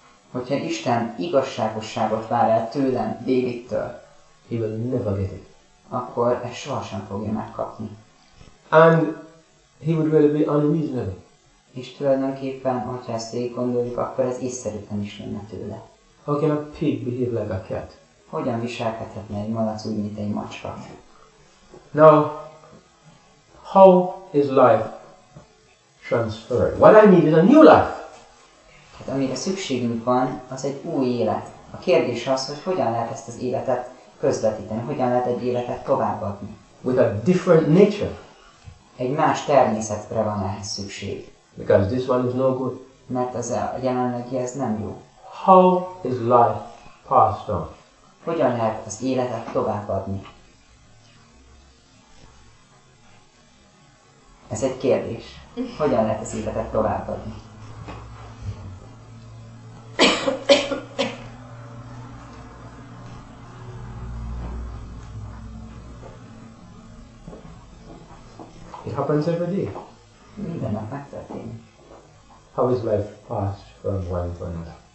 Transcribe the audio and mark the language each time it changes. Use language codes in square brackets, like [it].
[hu] hogyha Isten igazságosságot vár el tőlem, Dávidtől, [en] he will never get it. [hu] Akkor ezt sohasem fogja megkapni. [en] And he would really be unreasonable. [hu] És tulajdonképpen, hogyha ezt végig gondoljuk, akkor ez észszerűen is lenne tőle. [en] How can a pig behave like a cat? [hu] Hogyan viselkedhetne egy malac úgy, mint egy macska? [en] Now, how is life transferred? What I need is a new life. [hu] Hát amire szükségünk van, az egy új élet. A kérdés az, hogy hogyan lehet ezt az életet közvetíteni, hogyan lehet egy életet továbbadni. [en] With a different nature. [hu] Egy más természetre van ehhez szükség. [en] Because this one is no good. [hu] Mert az a jelenlegi ez nem jó. [en] How is life passed on? [hu] Hogyan lehet az életet továbbadni? Ez egy kérdés. Hogyan lehet az életet továbbadni? [en] It happens every day. [hu] Minden nap megtörténik. [en] How is life passed from one to another?